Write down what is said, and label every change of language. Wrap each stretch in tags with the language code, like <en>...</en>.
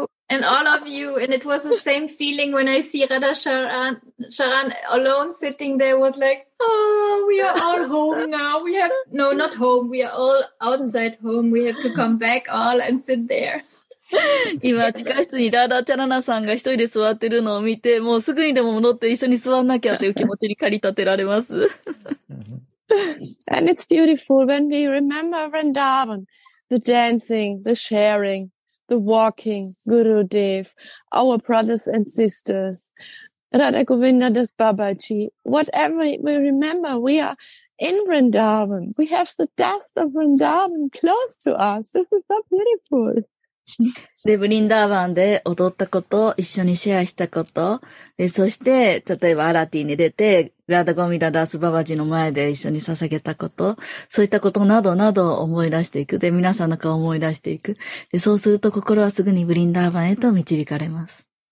<en>And all of you, and it was the same feeling when I see Radha Sharan alone sitting there, was like, oh, we are all home now. We have, no, not home. We are all outside home. We have to come back all and sit there.</en> <ja>今、地下室にラーダーチャラナさんが一人で座ってるのを見て、もうすぐにでも戻って一緒に座んなきゃという気持ちに駆り立てられます。</ja> <en>And it's beautiful when we remember Vrindavan, the dancing, the sharing. The walking, Gurudev, our brothers and sisters, Radha Govinda Das Babaji, whatever we remember, we are in Vrindavan. We have the death of Vrindavan close to us. This is so beautiful.</en> <ja>で、ブリンダーバンで踊ったこと、一緒にシェアしたこと、そして、例えばアラティに出て、ラダゴミラダスババジの前で一緒に捧げたこと、そういったことなどなどを思い出していく。で、皆さんの顔を思い出していく。で、そうすると心はすぐにブリンダーバンへと導かれます。</ja>